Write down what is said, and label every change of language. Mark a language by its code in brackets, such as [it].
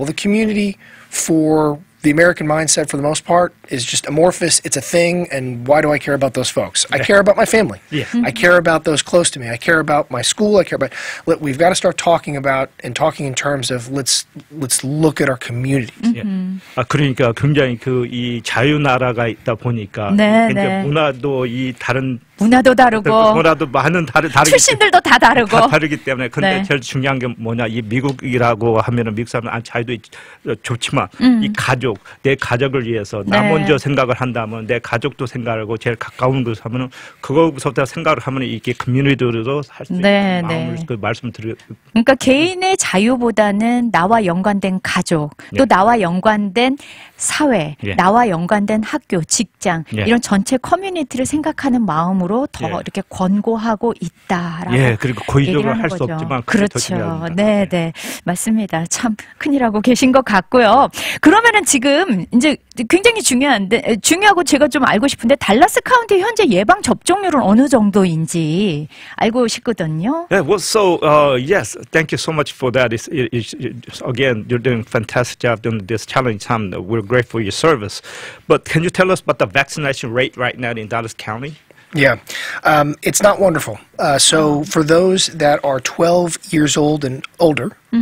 [en] Well, the community for the American mindset, for the most part, is just amorphous. It's a thing, and why do I care about those folks? I care about my family. Yeah. Mm-hmm. I care about those close to me. I care about my school. I care about. Look, we've got to start talking about and talking in terms of let's look at our communities. Mm-hmm. Yeah. [ko] 아, 그러니까 굉장히 그 이 자유 나라가 있다 보니까 네. 문화도 이 다른 문화도 다르고 문화도 많은 다르 출신들도 다 다르고 다 다르기 때문에 근데 네. 제일 중요한 게 뭐냐 이 미국이라고 하면은 미국 사람은 안 자유도 좋지만 이 가족 내 가족을 위해서 나 먼저 생각을 한다면 내 가족도 생각하고 제일 가까운 곳 하면은 그거부터 생각을 하면 이게 커뮤니티로도 할 수 있는 마음을 그 말씀 드려 그러니까 개인의 자유보다는 나와 연관된 가족 또 네. 나와 연관된 사회 네. 나와 연관된 학교 직장 네. 이런 전체 커뮤니티를 생각하는 마음 으로 더 예. 이렇게 권고하고 있다라고. 예, 그리고 고의적으로 할 수 없지만 그렇죠. 네, 네. 맞습니다. 참 큰일하고 계신 것 같고요. 그러면은 지금 이제 굉장히 중요한데 중요하고 제가 좀 알고 싶은데 달라스 카운티 현재 예방 접종률은 어느 정도인지 알고 싶거든요. [en] Yeah, well, so yes. Thank you so much for that. It's again, you're doing fantastic job during this challenging time. We're grateful for your service. But can you tell us about the vaccination rate right now in Dallas County? Yeah, it's not wonderful. So for those that are 12 years old and older, mm-hmm.